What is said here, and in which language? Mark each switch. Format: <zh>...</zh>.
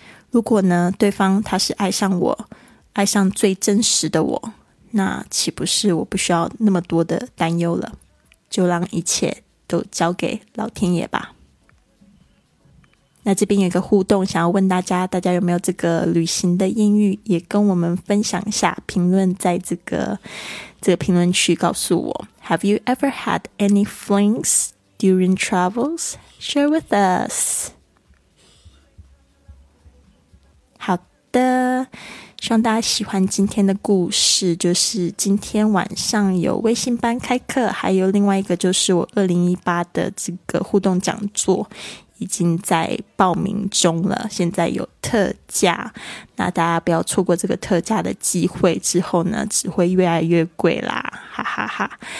<zh>如果呢，对方他是爱上我，爱上最真实的我，那岂不是我不需要那么多的担忧了？就让一切都交给老天爷吧。那这边有一个互动想要问大家，大家有没有这个旅行的艳遇，也跟我们分享一下，评论在这个评论区告诉我。</zh> <en>Have you ever had any flings during travels? Share with us.</en> <zh>好的，希望大家喜欢今天的故事。就是今天晚上有微信班开课，还有另外一个就是我2018的这个互动讲座已经在报名中了，现在有特价，那大家不要错过这个特价的机会，之后呢只会越来越贵啦，哈哈哈。</zh>